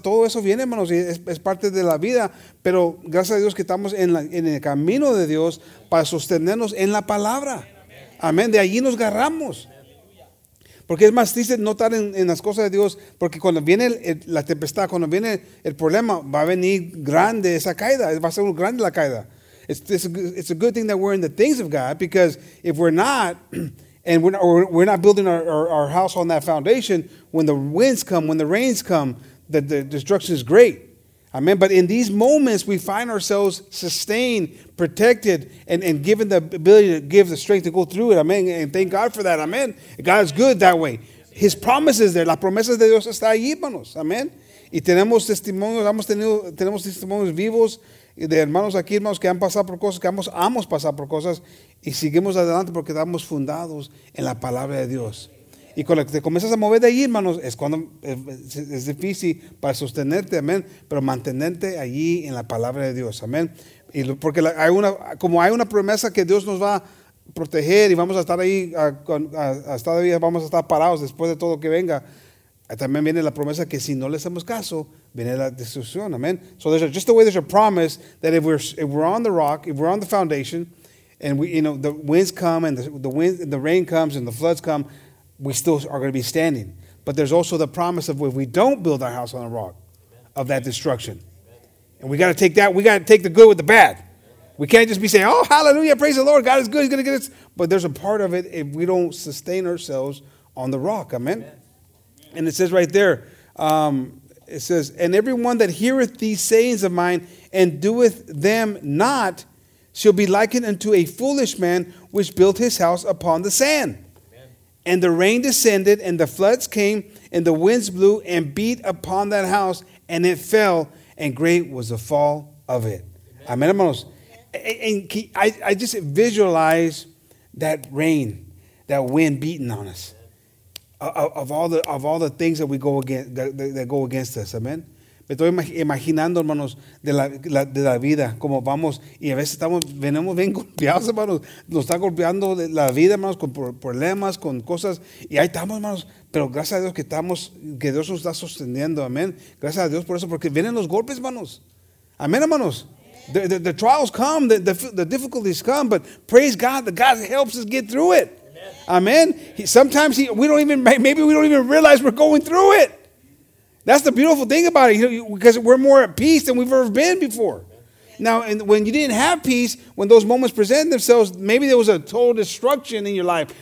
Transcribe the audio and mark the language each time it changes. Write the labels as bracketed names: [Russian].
[Spanish] Todo eso viene, hermanos, y es parte de la vida. Pero gracias a Dios que estamos en el camino de Dios para sostenernos en la palabra. Amén. De allí nos agarramos. Porque es más triste no estar en las cosas de Dios, porque cuando viene la tempestad, cuando viene el problema, va a venir grande esa caída, va a ser grande la caída. [English] It's a good thing that we're in the things of God, because if we're not, and we're not building our house on that foundation, when the winds come, when the rains come, the destruction is great. Amen. But in these moments, we find ourselves sustained, protected, and given the ability to give the strength to go through it. Amen. And thank God for that. Amen. God is good that way. His promise is there. [Spanish] La promesa de Dios está ahí, hermanos. Amen. Y tenemos testimonios, tenemos testimonios vivos de hermanos aquí, hermanos, que han pasado por cosas, que hemos pasado por cosas, y seguimos adelante porque estamos fundados en la palabra de Dios. Y cuando te comienzas a mover de allí, hermanos, es cuando es difícil para sostenerte, amén, pero mantenerte allí en la palabra de Dios, amén. Y porque hay una promesa que Dios nos va a proteger y vamos a estar ahí, hasta todavía vamos a estar parados después de todo que venga, también viene la promesa que si no le hacemos caso, viene la destrucción, amén. [English] So there's just the way there's a promise that if we're on the rock, if we're on the foundation, and we, you know, the winds come and the rain comes and the floods come, we still are going to be standing. But there's also the promise of if we don't build our house on a rock, of that destruction. And we got to take that. We got to take the good with the bad. We can't just be saying, oh, hallelujah, praise the Lord. God is good. He's going to get us. But there's a part of it if we don't sustain ourselves on the rock. Amen. And it says right there, it says, and everyone that heareth these sayings of mine and doeth them not shall be likened unto a foolish man which built his house upon the sand. And the rain descended, and the floods came, and the winds blew and beat upon that house, and it fell, and great was the fall of it. Amen, hermanos. And I just visualize that rain, that wind beating on us, of all the things that we go against, that go against us. Amen. [Spanish] Me estoy imaginando, hermanos, de la vida, como vamos, y a veces venimos bien golpeados, hermanos. Nos está golpeando la vida, hermanos, con problemas, con cosas. Y ahí estamos, hermanos, pero gracias a Dios que Dios nos está sosteniendo, amén. Gracias a Dios por eso, porque vienen los golpes, hermanos. Amén, hermanos. [English] The trials come, the difficulties come, but praise God that God helps us get through it. Amen. Sometimes we don't even realize we're going through it. That's the beautiful thing about it, you know, because we're more at peace than we've ever been before. Now, and when you didn't have peace, when those moments presented themselves, maybe there was a total destruction in your life.